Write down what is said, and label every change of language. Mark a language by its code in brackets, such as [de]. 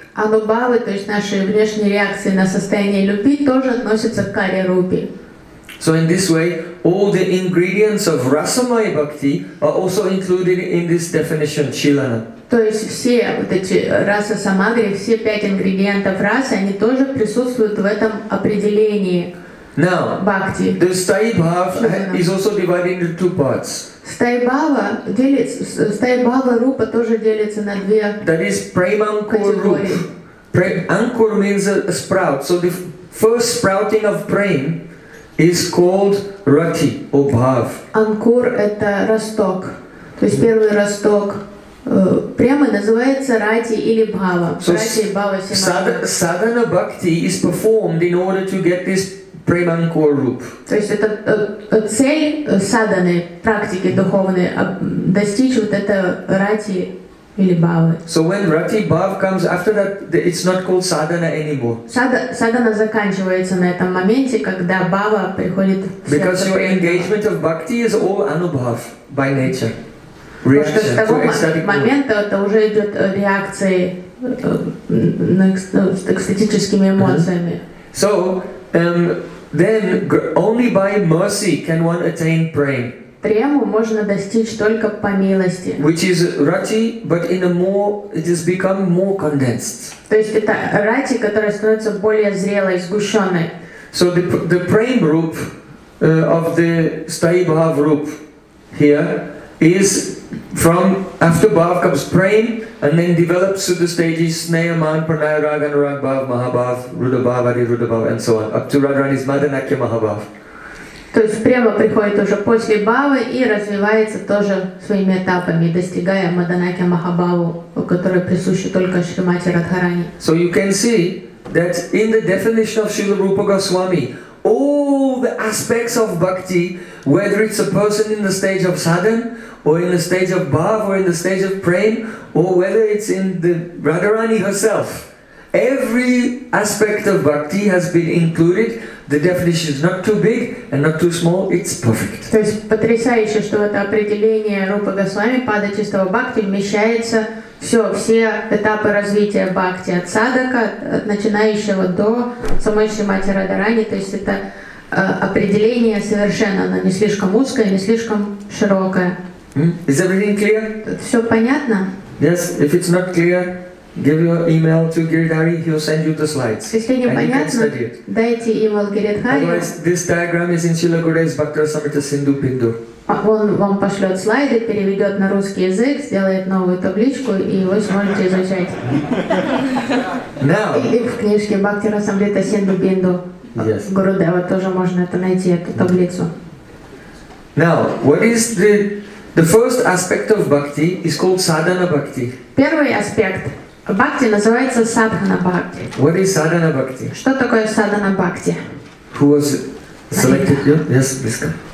[ru] Anubhavы, то есть наши внешние реакции на состояние любви, тоже относятся к карья рупе. [en] So in this way, all the ingredients of rasamaya bhakti are also included in this definition, chilana. [ru] То есть все вот эти раса самадхи, все пять ингредиентов расы, они тоже присутствуют в этом определении. [en] Now, [ru] бхакти. [en] The sthayibhava is also divided into two parts. [ru] Sthayibhava rupa тоже делится на две. [en] That is premankur rup. Ankur means a sprout. So the first sprouting of prem is called rati or bhav. [ru] Ankur это росток. То есть первый росток прямо называется рати или бхава. [en] So [ru] рати, бхава, [en] симадхи. Sadhana bhakti is performed in order to get this premankur rup. [ru] То есть это цель садханы, практики духовной, достичь вот это рати или бхавы. [en] So when rati bhav comes after that, it's not called sadhana anymore. [ru] Садхана заканчивается на этом моменте, когда бхава приходит. [en] Because your engagement of bhakti is all anubhav by nature. Reaction, [ru] потому что с того момента это уже идет реакции с экстатическими эмоциями. [en] So then only by mercy can one attain prem. [ru] Прему можно достичь только по милости. [en] Which is rati, but in a more, it has become more condensed. [ru] То есть это рати, которая становится более зрелой, сгущенной. [en] So the prem roop of the sthayibhav roop here is from after bhav comes prem and then develops to the stages sneha man pranaya rag anurag bhav mahabhav rudabhav adirudabhav and so on up to radharani's madanakya mahabhav. [ru] То есть према приходит уже после бхавы и развивается тоже своими этапами, достигая маданакья махабаву, которая присуща только Шримати Радхарани. [en] So you can see that in the definition of Srila Rupa Goswami, all the aspects of bhakti, whether it's a person in the stage of sadhana, or in the stage of bhava, or in the stage of prema, or whether it's in the Radharani herself, every aspect of bhakti has been included. The definition is not too big and not too small. It's perfect. [ru] То есть потрясающе, что это определение Рупа Госвами, пада чистого бхакти, вмещается все этапы развития бхакти, от садака, от начинающего до самой Шримати Радхарани. То есть это определение совершенно, оно не слишком узкое, не слишком широкое. [en] Is everything clear? [ru] Все понятно? [en] Yes, if it's not clear, give your email to Giridhari, he'll send you the slides. [ru] Если непонятно, дайте email Giridhari. [en] Otherwise, this diagram is in Srila Gurudev's Bhaktarasamrita Sindhu Pindur. [ru] Он вам пошлет слайды, переведет на русский язык, сделает новую табличку, и вы сможете изучать. [en] Now, [ru] или в книжке Бхактарасамрита Синду Пинду. [en] Yes. [ru] Гурудева тоже можно это найти, эту таблицу. [en] Now, what is the first aspect of bhakti is called sadhana bhakti. [ru] Первый аспект бхакти называется садхана бхакти. [en] What is sadhana bhakti? [ru] Что такое садхана бхакти? [en] Who was selected? Yes, please come.